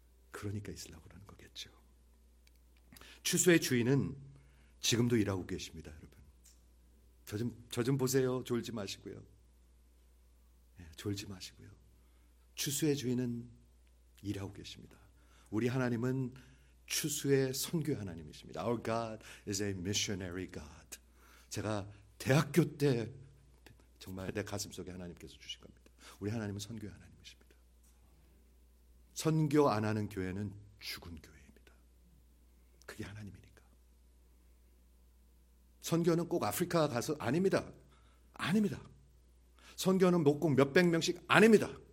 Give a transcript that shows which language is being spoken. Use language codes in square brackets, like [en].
[ko] 그러니까 있으려고 하는 거겠죠. 추수의 주인은 지금도 일하고 계십니다. 여러분. 저 좀 보세요. 졸지 마시고요. 네, 졸지 마시고요. 추수의 주인은 일하고 계십니다. 우리 하나님은 추수의 선교 하나님이십니다. [en] Our God is a missionary God. [ko] 제가 대학교 때 정말 내 가슴속에 하나님께서 주신 겁니다. 우리 하나님은 선교의 하나님이십니다. 선교 안 하는 교회는 죽은 교회입니다. 그게 하나님이니까. 선교는 꼭 아프리카 가서 아닙니다. 아닙니다. 선교는 뭐 꼭 몇백 명씩 아닙니다.